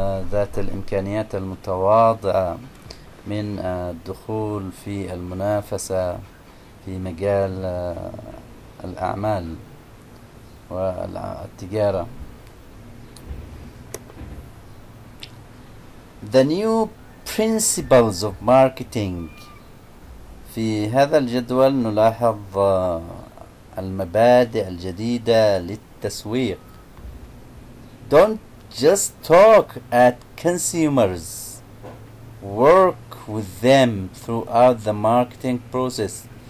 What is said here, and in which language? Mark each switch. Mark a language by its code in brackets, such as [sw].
[ar] ذات الإمكانيات المتواضعة من الدخول في المنافسة في مجال الأعمال والتجارة. [en] The new principles of marketing. [ar] في هذا الجدول نلاحظ المبادئ الجديدة للتسويق. [en] Don't just talk at consumers. Work with them throughout the marketing process.